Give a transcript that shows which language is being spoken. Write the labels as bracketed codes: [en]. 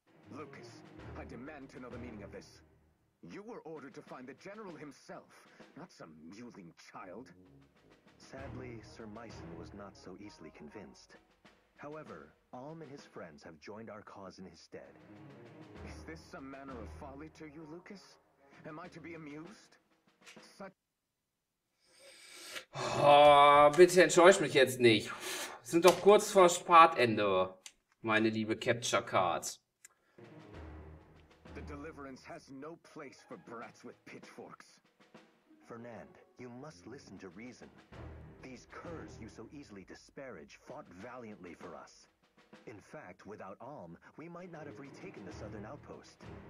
[en] Lucas, I demand to know the meaning of this. You were ordered to find the General himself, not some mewling child. Sadly, Sir Meissen was not so easily convinced. However, Alm and his friends have joined our cause in his stead. Is this some manner of folly to you, Lucas? Am I to be amused? Such... [de] Oh, bitte enttäusch mich jetzt nicht. Wir sind doch kurz vor Spartende, meine liebe Capture Card. [en] Has no place for brats with pitchforks. Fernand, you must listen to reason. These curs you so easily disparage fought valiantly for us. In fact, without Alm, we might not have retaken the southern outpost.